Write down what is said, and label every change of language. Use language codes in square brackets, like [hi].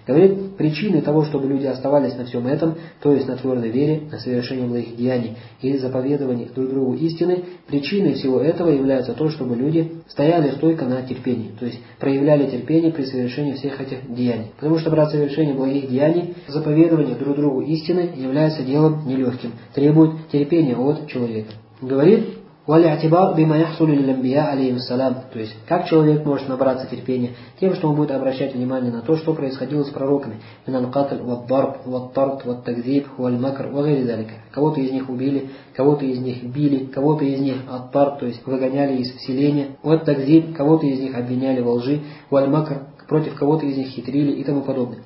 [ru] Говорит, причины того, чтобы люди оставались на всем этом, то есть на твердой вере, на совершении благих деяний и заповедовании друг другу истины, причиной всего этого является то, чтобы люди стояли стойко на терпении, то есть проявляли терпение при совершении всех этих деяний. Потому что, брат, совершение благих деяний, заповедование друг другу истины является делом нелегким, требует терпения от человека. Говорит, [ar] وَلِعْتِبَاءُ بِمَا يَحْصُلُ لِلَّنْبِيَا عَلَيْهِمْ السَّلَامُ. [ru] То есть, как человек может набраться терпения? Тем, что он будет обращать внимание на то, что происходило с пророками. [ar] مِنَ الْقَتْلِ وَالضَّرْبِ وَالطَّرْدِ وَالتَّكْذِيبِ وَالْمَكْرِ وَغَيْرِ ذَلِكَ. [ru] Кого-то из них убили, кого-то из них били, кого-то из них оттар, то есть выгоняли из вселения. وَالتَّكْذِيبِ, кого-то из них обвиняли во лжи. وَالْمَكْرِ, против кого-то из них хитрили и тому подобное.